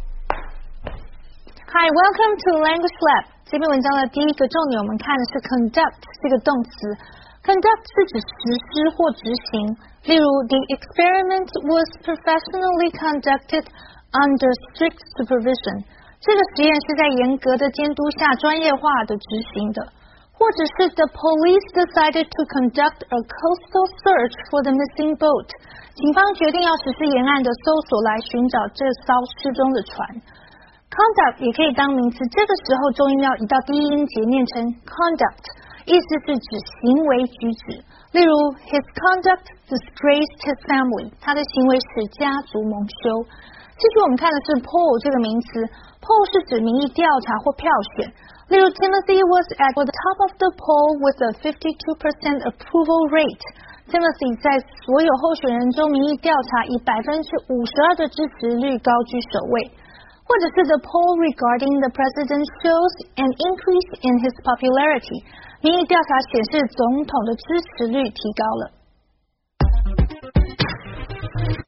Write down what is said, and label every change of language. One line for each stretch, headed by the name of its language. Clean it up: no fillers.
English: Hi, welcome to Language Lab.
Chinese: 这篇文章的第一个重点我们看的是 conduct 这个动词。 Conduct 是指实施或执行。例如
English: ,the experiment was professionally conducted under strict supervision.
Chinese: 这个实验是在严格的监督下专业化的执行的。或者是
English: ,the police decided to conduct a coastal search for the missing boat.
Chinese: 警方决定要实施沿岸的搜索来寻找这艘失踪的船。 Conduct 也可以当名词，这个时候重音要移到第一音节，念成 conduct， 意思是指行为举止。例如 ，
English: his conduct disgraced his family，
Chinese: 他的行为使家族蒙羞。继续我们看的是 poll 这个名词 ，poll 是指民意调查或票选。例如
English: ，Timothy was at the top of the poll with a 52% approval rate。
Chinese: Timothy 在所有候选人中民意调查以52%的支持率高居首位。或者是
English: the poll regarding the president shows an increase in his popularity.
Chinese: 民意调查显示总统的支持率提高了。